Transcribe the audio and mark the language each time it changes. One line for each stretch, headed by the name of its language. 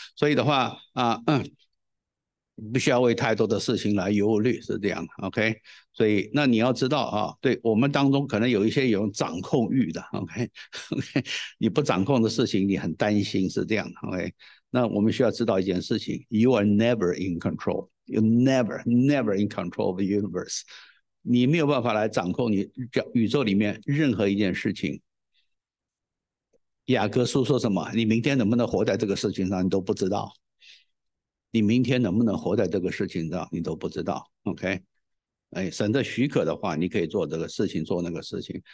Chinese: 所以的话不需要为太多的事情来忧虑，是这样。 OK， 所以那你要知道啊，对我们当中可能有一些有掌控欲的。 OK， 你不掌控的事情，你很担心，是这样。 OK。 那我们需要知道一件事情 ，
English: You are never in control. You never, never in control of the universe.
Chinese: 你没有办法来掌控你宇宙里面任何一件事情。雅各书说什么？你明天能不能活在这个事情上，你都不知道。你明天能不能活在这个事情上，你都不知道。OK， 神的许可的话，你可以做这个事情，做那个事情。